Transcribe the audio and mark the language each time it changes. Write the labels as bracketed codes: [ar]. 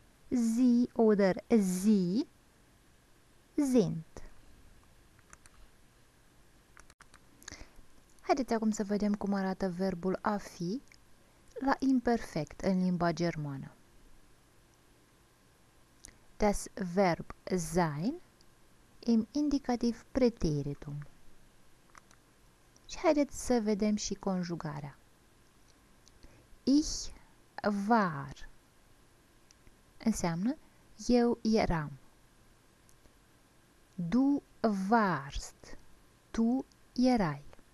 [de] Sie oder sie sind. [ro] Haideți acum să vedem cum arată verbul a fi la imperfect în limba germană. [de] Das Verb sein im indicativ preteritum. [ro] Și haideți să vedem și conjugarea. [de] Ich war. [ro] Înseamnă eu eram. [de] Du warst. [ro] Tu erai.